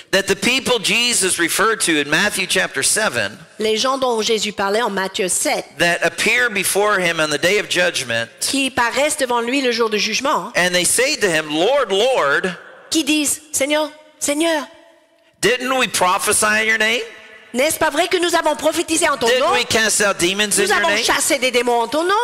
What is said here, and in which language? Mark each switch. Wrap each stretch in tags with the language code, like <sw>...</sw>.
<en>that the people Jesus referred to in Matthew chapter 7,</en> <fr>les gens dont Jésus parlait en Matthieu 7,</fr> <en>that appear before him on the day of judgment,</en> <fr>qui paraissent devant lui le jour du jugement,</fr> <en>and they say to him, Lord, Lord,</en> <fr>qui disent Seigneur, Seigneur,</fr> <en>didn't we prophesy in your name?</en> <fr>N'est-ce pas vrai que nous avons prophétisé en ton</fr> <en>Didn't</en> <fr>nom?</fr> <en>We cast out demons</en> <fr>nous</fr> <en>in</en> <fr>avons</fr> <en>your name?</en> <fr>Chassé des démons en ton nom?</fr>